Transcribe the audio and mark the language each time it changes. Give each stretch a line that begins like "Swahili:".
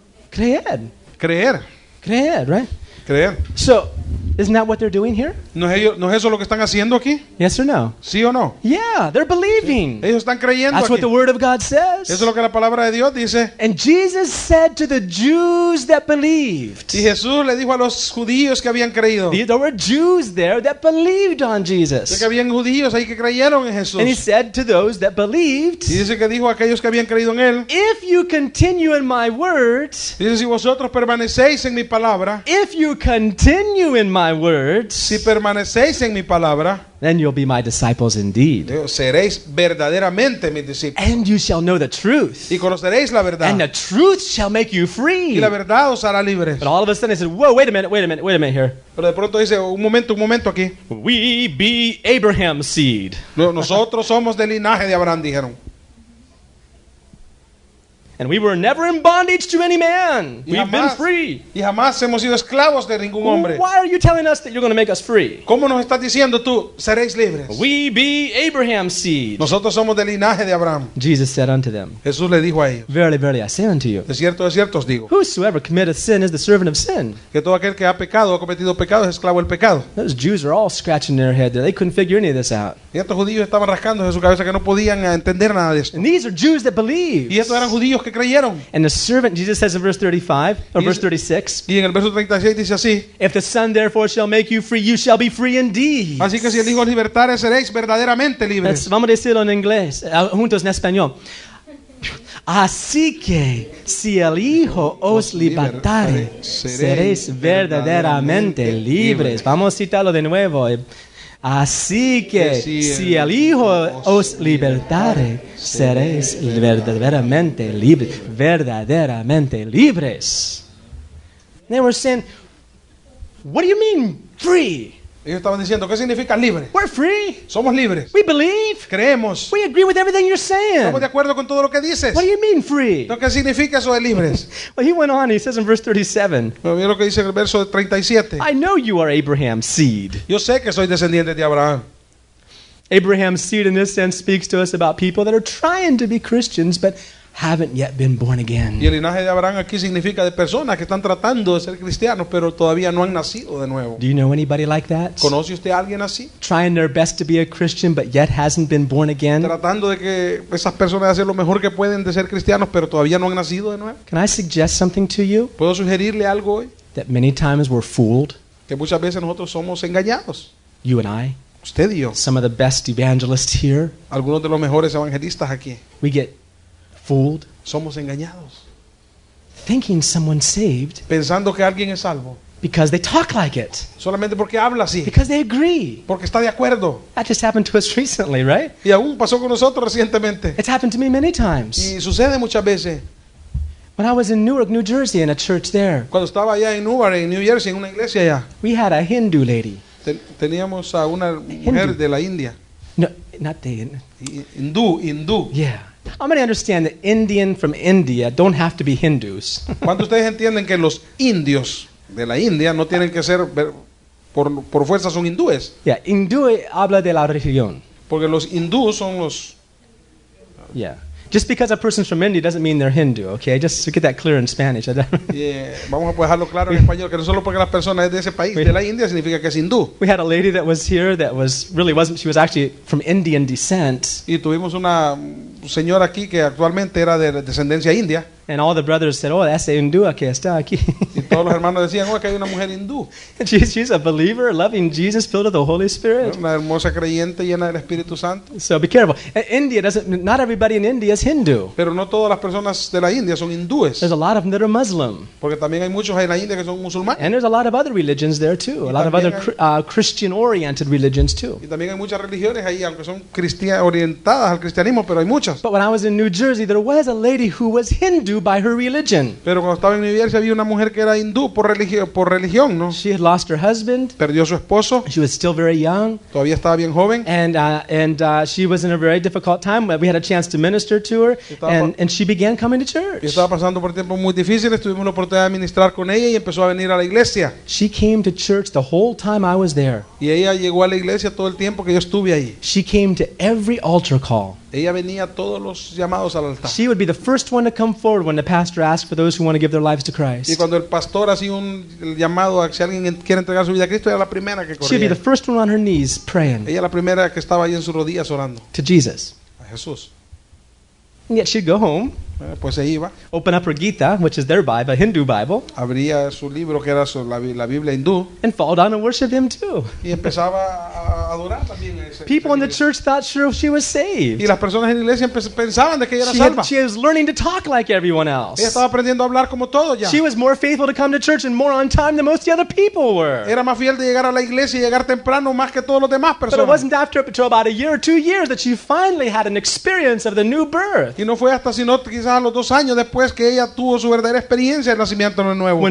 English: Creer, right?
Spanish: Creer.
English: So, isn't that what they're doing here?
Spanish: ¿No es eso lo que están haciendo aquí?
English: Yes or no?
Spanish: ¿Sí o no?
English: Yeah, they're believing.
Spanish: Sí. Ellos están creyendo.
English: That's
Spanish: aquí.
English: What the word of God says.
Spanish: Eso es lo que la palabra de Dios dice.
English: And Jesus said to the Jews that believed.
Spanish: Y Jesús le dijo a los judíos que habían creído.
English: There were Jews there that believed on Jesus.
Spanish: Que habían judíos ahí que creyeron en Jesús.
English: And he said to those that believed.
Spanish: Y dice que dijo a aquellos que habían creído en él.
English: If you continue in my word.
Spanish: Dice si vosotros permanecéis en mi palabra.
English: If you continue in my word,
Spanish: si permanecéis en mi palabra,
English: then you'll be my disciples indeed.
Spanish: Seréis verdaderamente mis discípulos.
English: And you shall know the truth.
Spanish: Y conoceréis la verdad.
English: And the truth shall make you free.
Spanish: Y la verdad os hará libres.
English: But all of a sudden, he said, "Whoa! Wait a minute here."
Spanish: Pero de pronto dice, un momento aquí.
English: We be Abraham's seed.
Spanish: Nosotros somos del linaje de Abraham, dijeron.
English: And we were never in bondage to any man. We've been free.
Spanish: Y jamás hemos sido esclavos de ningún hombre.
English: Why are you telling us that you're going to make us free?
Spanish: ¿Cómo nos estás diciendo tú, seréis libres?
English: We be Abraham's seed.
Spanish: Nosotros somos del linaje de Abraham.
English: Jesus said unto them.
Spanish: Jesús le dijo a ellos.
English: Verily, verily, I say unto you.
Spanish: De cierto os digo.
English: Whosoever committeth sin is the servant of sin.
Spanish: Que todo aquel que ha pecado, ha cometido pecado, es esclavo del pecado.
English: Those Jews are all scratching their head there. They couldn't figure any of this out.
Spanish: Y estos judíos estaban rascando en su cabeza que no podían entender nada de esto.
English: And these are Jews that believe.
Spanish: Y estos eran judíos que creyeron.
English: And the servant, Jesus says in verse 35, or verse 36,
Spanish: y en el verso 36 dice así,
English: if the Son therefore shall make you free, you shall be free indeed.
Spanish: Así que si el Hijo libertare, seréis verdaderamente libres. Vamos a decirlo en inglés, juntos en español. Así que si el Hijo os libertare, seréis verdaderamente libres. Vamos a citarlo de nuevo. Así que si el Hijo os libertare, seréis verdaderamente libres. Verdaderamente libres.
English: They were saying, what do you mean free?
Spanish: Ellos estaban diciendo, ¿qué significa libre?
English: We're free.
Spanish: Somos libres.
English: We believe.
Spanish: Creemos.
English: We agree with everything you're saying.
Spanish: Estamos de acuerdo con todo lo que dices.
English: What do you mean free?
Spanish: ¿Qué significa eso de libres?
English: Well, he went on, he says in verse 37.
Spanish: Mira lo que dice en el verso 37.
English: I know you are Abraham's seed.
Spanish: Yo sé que soy descendiente de Abraham.
English: Abraham's seed in this sense speaks to us about people that are trying to be Christians, but haven't yet been born again.
Spanish: Y el linaje de Abraham aquí significa de personas que están tratando de ser cristianos, pero todavía no han nacido de nuevo.
English: Do you know anybody like that?
Spanish: ¿Conoce usted a alguien así?
English: Trying their best to be a Christian, but yet hasn't been born again.
Spanish: Tratando de que esas personas hacen lo mejor que pueden de ser cristianos, pero todavía no han nacido de nuevo.
English: Can I suggest something to you?
Spanish: ¿Puedo sugerirle algo hoy?
English: That many times we're fooled.
Spanish: Que muchas veces nosotros somos engañados.
English: you and I,
Spanish: usted y yo,
English: some of the best evangelists here,
Spanish: algunos de los mejores evangelistas aquí,
English: we get fooled,
Spanish: somos engañados,
English: thinking someone's saved,
Spanish: pensando que alguien es salvo,
English: because they talk like it,
Spanish: solamente porque habla así,
English: because they agree,
Spanish: porque está de acuerdo.
English: That just happened to us recently, right?
Spanish: Y aún pasó con nosotros recientemente.
English: It's happened to me many times.
Spanish: Y sucede muchas veces.
English: When I was in Newark, New Jersey, in a church there,
Spanish: cuando estaba allá en Newark, en New Jersey, en una iglesia allá,
English: we had a Hindu lady.
Spanish: Teníamos a una mujer de la India.
English: No, not the Hindu. Hindu. Yeah. How many understand that Indian from India don't have to be Hindus?
Spanish: ¿Cuántos ustedes entienden que los indios de la India no tienen que ser por fuerza son hindúes? Yeah, hindú habla de la religión. Porque los hindúes son los.
English: Yeah. Just because a person's from India doesn't mean they're Hindu, okay? Just to get that clear in Spanish.
Spanish: Yeah, vamos a dejarlo claro en español, que no solo porque la persona es de ese país, de la India, significa que es hindú.
English: We had a lady that was here that was really wasn't, she was actually from Indian descent.
Spanish: Y tuvimos una señora aquí que actualmente era de descendencia india.
English: And all the brothers said, oh, that's the hindú
Spanish: que está aquí. Y todos los hermanos decían, oh, que hay una mujer hindú.
English: She's a believer, loving Jesus, filled with the Holy Spirit.
Spanish: Una hermosa creyente llena del Espíritu Santo.
English: So be careful. India doesn't, not everybody in India is Hindu.
Spanish: Pero no todas las personas de la India son hindúes.
English: There's a lot of them that are Muslim.
Spanish: Porque también hay muchos en la India que son musulmanes.
English: And there's a lot of other religions there too. A lot of other Christian-oriented religions too.
Spanish: Y también hay muchas religiones ahí, aunque son orientadas al cristianismo, pero hay muchas.
English: But when I was in New Jersey, there was a lady who was Hindu by her religion.
Spanish: Pero cuando estaba en New Jersey había una mujer que era hindú por religión, ¿no?
English: She had lost her husband.
Spanish: Perdió su esposo.
English: She was still very young.
Spanish: Todavía estaba bien joven.
English: And she was in a very difficult time. We had a chance to minister to her, and she began coming to church.
Spanish: Y estaba pasando por tiempos muy difíciles. Tuvimos la oportunidad de ministrar con ella y empezó a venir a la iglesia.
English: She came to church the whole time I was there.
Spanish: Y ella llegó a la iglesia todo el tiempo que yo estuve ahí.
English: She came to every altar call.
Spanish: Ella venía todos los llamados al altar.
English: She would be the first one to come forward when the pastor asked for those who want to give their lives to Christ.
Spanish: Y cuando el pastor hacía un llamado a si alguien quiere entregar su vida a Cristo, ella era la primera que corría.
English: She'd be the first one on her knees praying.
Spanish: Ella la primera que estaba ahí en sus rodillas orando.
English: To Jesus.
Spanish: A Jesús.
English: And yet she'd go home.
Spanish: Pues se iba.
English: Open up her Gita, which is their Bible, a Hindu Bible.
Spanish: Abría su libro que era la Biblia hindú.
English: And fall down and worship him too.
Spanish: Y empezaba a adorar también.
English: People in the church thought sure she was saved.
Spanish: Y las personas en la iglesia pensaban de que ella era salva.
English: She was learning to talk like everyone else.
Spanish: Ella estaba aprendiendo a hablar como todos ya.
English: She was more faithful to come to church and more on time than most of the other people were.
Spanish: Era más fiel de llegar a la iglesia y llegar temprano más que todos los demás personas.
English: But it wasn't after about a year or 2 years that she finally had an experience of the new birth.
Spanish: Y no fue hasta sino quizás a los dos años después que ella tuvo su verdadera experiencia del nacimiento de nuevo.